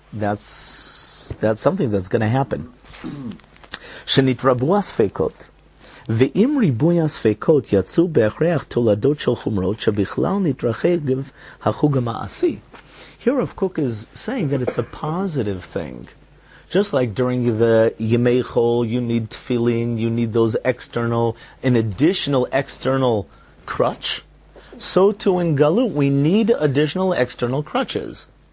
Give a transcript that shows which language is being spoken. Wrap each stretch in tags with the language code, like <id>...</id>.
<en>That's something that's going to happen.</en> <he>Shenit rabu asfekot. ואם ריבוי הספקות יצאו בהכרח תולדות של חומרות שבכלל נתרחב החוג המעשי.</he> <en>Here Rav Kook is saying that it's a positive thing. Just like during the Yimei Chol, you need tefillin, you need those external, an additional external crutch, so too in Galut, we need additional external crutches.</en>